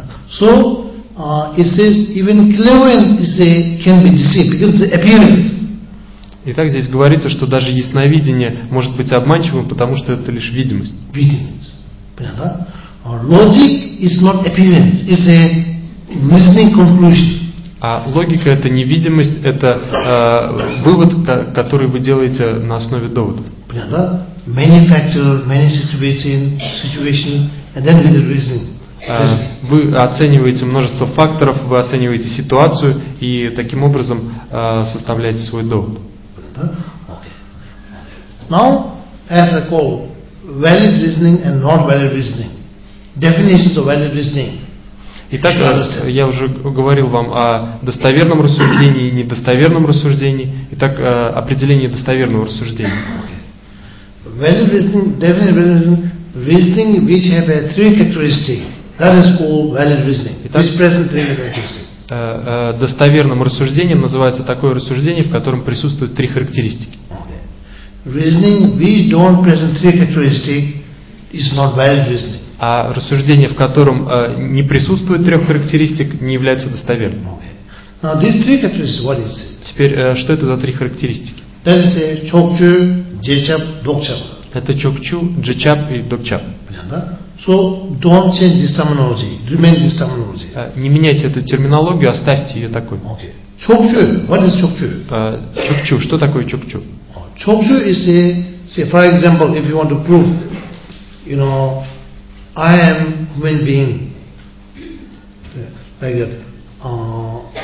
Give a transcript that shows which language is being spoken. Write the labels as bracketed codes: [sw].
[en] So, it says, even clairvoyant can be deceived, because the appearance. [ru] Итак, здесь говорится, что даже ясновидение может быть обманчивым, потому что это лишь видимость. Видимость. [en] Logic is not appearance, it's a missing conclusion. [ru] А логика — это невидимость, это вывод, который вы делаете на основе довода. Понятно? [en] Many factors, many situation, and then with the reason. [ru] Вы оцениваете множество факторов, вы оцениваете ситуацию и таким образом составляете свой довод. Понятно? [en] Okay. Now, as I call valid reasoning and not valid reasoning. Definitions of valid reasoning. [ru] Итак, я уже говорил вам о достоверном рассуждении и недостоверном рассуждении. Итак, определение достоверного рассуждения. [en] Valid reasoning, definite reasoning, reasoning which have a three characteristic. That is called valid reasoning. [ru] Итак, [en] which present three characteristics. [ru] Достоверным рассуждением называется такое рассуждение, в котором присутствуют три характеристики. [en] Reasoning which don't present three characteristics is not valid reasoning. [ru] А рассуждение, в котором не присутствует трех характеристик, не является достоверным. [en] Now, these three characteristics, what is it? [ru] Теперь, что это за три характеристики? [en] That is a чокчу, джечап, докчап. [ru] Это чокчу, джечап и докчап. [en] So, don't change this terminology. Remain this terminology. [ru] Не меняйте эту терминологию, оставьте ее такой. [en] Чокчу, what is чокчу? [ru] Чокчу, что такое чокчу? [en] Чокчу is a, say, for example, if you want to prove, you know, I am human being. Like that.